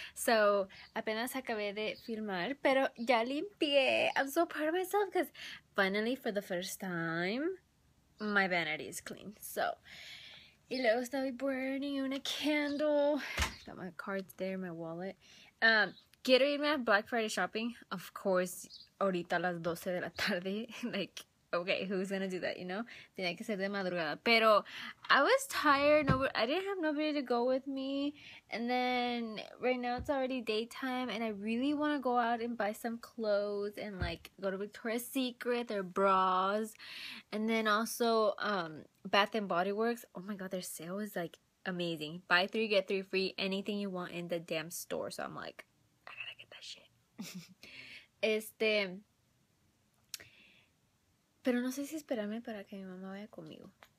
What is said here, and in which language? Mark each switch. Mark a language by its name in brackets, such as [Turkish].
[Spanish] So, apenas acabé de filmar, pero ya limpié. [English] I'm so proud of myself because finally, for the first time, my vanity is clean. [Spanish] So, y luego estaba burning una candle. [English] Got my cards there, my wallet. [Spanish] ¿Quiero irme a Black Friday shopping? [English] Of course, [Spanish] ahorita a las 12 de la tarde. [English] Like, okay, who's gonna do that, you know? [Spanish] Tenía que ser de madrugada. Pero [English] I was tired. Nobody, I didn't have nobody to go with me. And then right now it's already daytime. And I really want to go out and buy some clothes. And like go to Victoria's Secret. Their bras. And then also Bath & Body Works. Oh my god, their sale is like amazing. Buy three, get three free. Anything you want in the damn store. So I'm like, I gotta get that shit. [Spanish] Pero no sé si esperarme para que mi mamá vaya conmigo.